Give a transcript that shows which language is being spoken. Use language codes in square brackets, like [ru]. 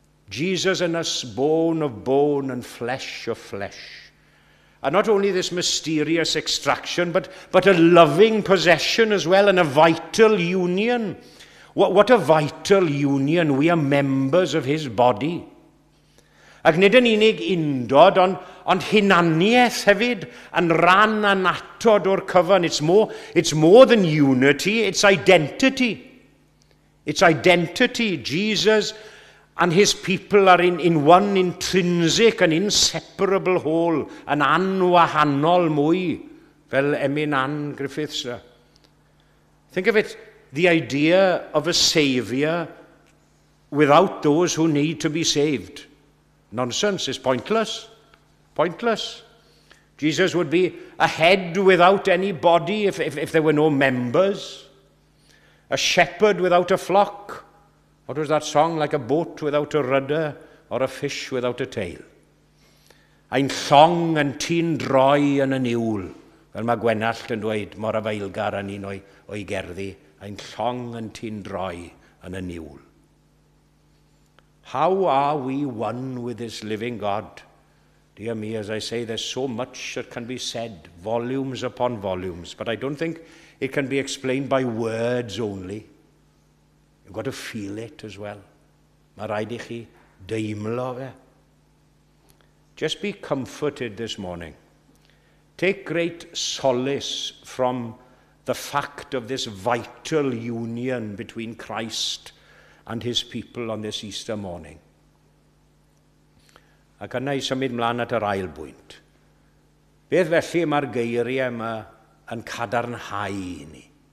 [en] Jesus and us, bone of bone and flesh of flesh. And not only this mysterious extraction, but a loving possession as well, and a vital union. What a vital union. We are members of his body. [cy] Ac nid yn unig undod, ond hunaniaeth hefyd, yn ran anatod o'r cyfan. [en] It's more than unity, it's identity. It's identity. Jesus and his people are in one intrinsic and inseparable whole, [cy] yn anwahanol mwy, fel Emyn Ann Griffiths. [en] Think of it, the idea of a saviour without those who need to be saved. Nonsense, it's pointless. Pointless. Jesus would be a head without any body if there were no members. A shepherd without a flock. What was that song? Like a boat without a rudder or a fish without a tail. [cy] Ein llong yn tîn droi yn y niwl. Fel mae Gwenallt yn dweud, mor afeilgar yn un o'i gerddi. Ein llong yn tîn droi yn y niwl. [en] How are we one with this living God? Dear me, as I say, there's so much that can be said, volumes upon volumes, but I don't think it can be explained by words only. You've got to feel it as well. [cy] Mae rhaid I chi deimlo fe. [en] Just be comforted this morning. Take great solace from the fact of this vital union between Christ and his people on this Easter morning. [cy] Ac yna I symud mlaen at yr ail bwynt. Beth felly mae'r geiriau yma yn cadarnhau I ni?